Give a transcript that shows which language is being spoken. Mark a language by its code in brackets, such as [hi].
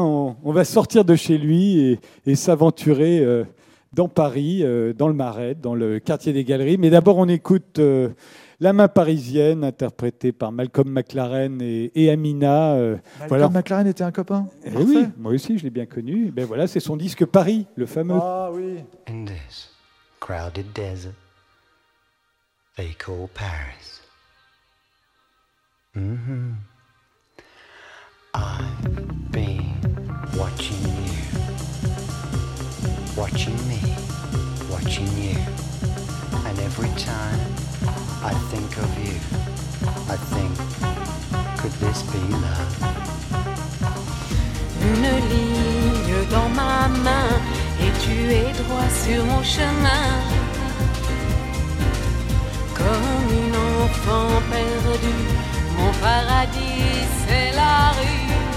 [fr] On va sortir de chez lui et s'aventurer dans Paris, dans le Marais, dans le quartier des Galeries. Mais d'abord, on écoute La main parisienne, interprétée par Malcolm McLaren et Amina. Malcolm voilà. McLaren était un copain. Et oui, moi aussi, je l'ai bien connu. Et ben voilà, c'est son disque Paris, le fameux. Ah oui. [en] In this crowded desert, they call Paris. Mm-hmm. I've been watching you, watching me, watching you, and every time I think of you, I think, could this be love? [fr] Une ligne dans ma main, et tu es droit sur mon chemin, comme une enfant perdue, mon paradis c'est la rue.